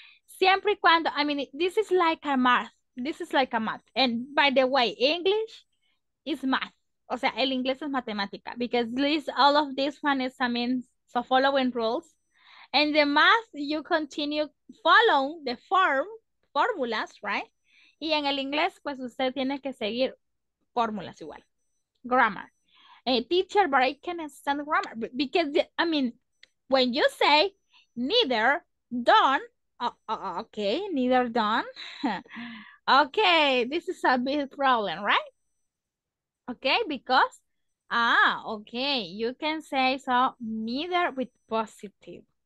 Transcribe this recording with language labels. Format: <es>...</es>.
<es>Siempre y cuando,</es> <en>I mean, this is like a math. This is like a math. And by the way, English is math.</en> <es>O sea, el inglés es matemática.</es> <en>Because this, all of this one is, I mean, so following rules. And the math, you continue following the form, formulas, right?</en> <es>Y en el inglés, pues usted tiene que seguir formulas igual.</es> <en>Grammar. Teacher, but I can't understand grammar. Because, I mean, when you say neither, don't, okay, neither done. Okay, this is a big problem, right? Okay, because, okay, you can say so neither with positive.</en>